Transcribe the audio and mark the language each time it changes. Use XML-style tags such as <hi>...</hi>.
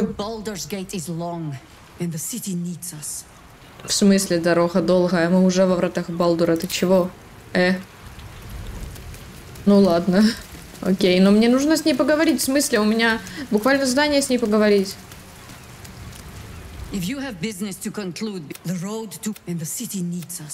<en>to Baldur's Gate is long, and the city needs us.</en> <ru>В смысле, дорога долгая, мы уже во вратах Балдура, ты чего? Ну ладно. Окей, но мне нужно с ней поговорить, в смысле, у меня буквально задание с ней поговорить.</ru> <en>If you have business to conclude, the road to and the city needs us.</en>